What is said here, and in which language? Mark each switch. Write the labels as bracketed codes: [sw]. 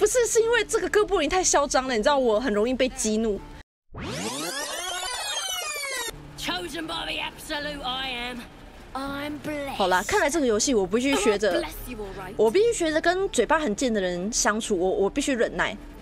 [zh] 是因为这个哥布林太嚣张了，你知道我很容易被激怒。 [en] Chosen by the absolute, I am. I'm blessed. [zh] 好了，看来这个游戏我必须学着，我必须学着跟嘴巴很贱的人相处，我必须忍耐。